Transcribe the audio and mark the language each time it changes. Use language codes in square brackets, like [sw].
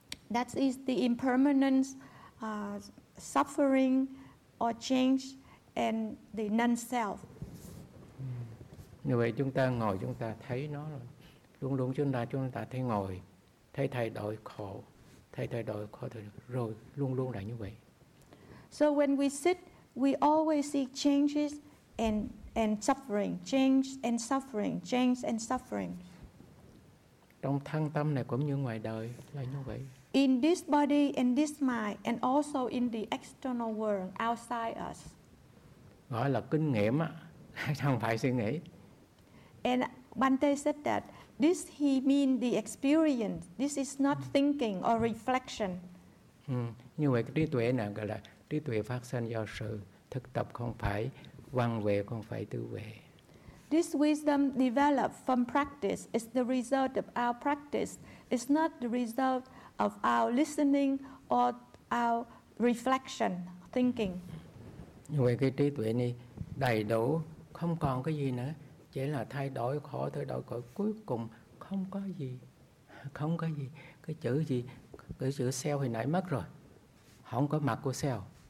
[en] That is the impermanence, suffering or change, and the non-self. [vi] Như vậy chúng ta ngồi chúng ta thấy nó rồi. Luôn luôn chúng ta thấy ngồi, thấy thay đổi khổ, thấy thay đổi khổ thôi rồi luôn luôn là như vậy. [en] So when we sit, we always see changes and suffering, change and suffering, change and suffering. [vi] Trong thân tâm này cũng như ngoài đời là như vậy. [en] In this body and this mind and also in the external world outside us. [vi] Gọi là kinh nghiệm á, không phải suy nghĩ. [en] And Bhante said that this he mean the experience. This is not thinking or reflection. [vi] Như vậy trí tuệ này gọi là trí tuệ phát sinh do sự thực tập, không phải văn về, không phải tư về. [en] This wisdom developed from practice is the result of our practice. It's not the result of our listening or our reflection, thinking. [vi] Như vậy cái trí tuệ này đầy đủ, không còn cái gì nữa. Chỉ là thay đổi khổ, cuối cùng không có gì, không có gì. Cái chữ self hồi nãy mất rồi, không có mặt của self.